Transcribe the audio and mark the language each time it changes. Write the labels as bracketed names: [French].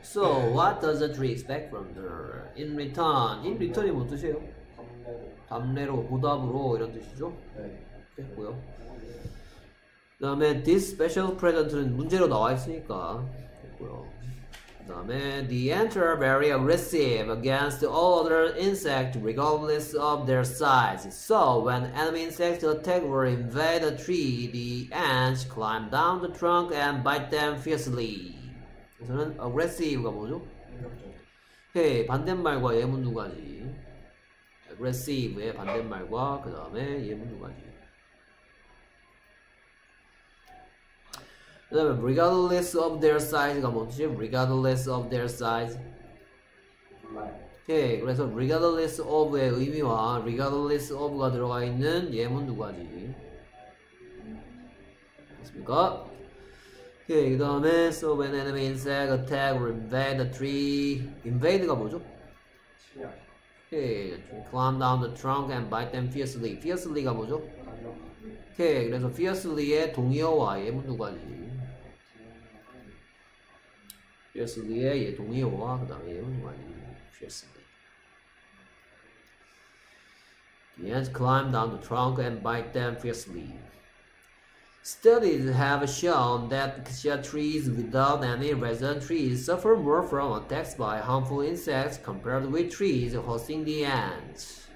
[English] So what does the tree expect from her in return? [Korean] In return이 뭔 뜻이에요? 답례로, 보답으로 이런 뜻이죠? 네. 됐고요. 그 다음에 this special present는 문제로 나와 있으니까 됐고요. [English] 다음에 the ants are very aggressive against all other insects regardless of their size. So when enemy insects attack or invade a tree, the ants climb down the trunk and bite them fiercely. [Korean] 우선은 aggressive가 뭐죠? 오케이, 반대말과 예문 두 가지. aggressive의 반대말과 그 다음에 예문 두 가지. 그 다음에 regardless of their size가 뭐지? regardless of their size. 오케이, 그래서 regardless of의 의미와 regardless of가 들어가 있는 예문 두 가지. 됐습니까? 오케이, 그 다음에 [English] so when enemy insect attack or invade the tree, [Korean] invade가 뭐죠? 침략. [English] 오케이, climb down the trunk and bite them fiercely. [Korean] fiercely가 뭐죠? 오케이, 그래서 fiercely의 동의어와 예문 두 가지. 퓨어슬리의 예 동의어와 그 다음에 예문 말이 퓨어슬리. [English] The ants climb down the trunk and bite them fiercely. Studies have shown that cassia trees without any resident trees suffer more from attacks by harmful insects compared with trees hosting the ants.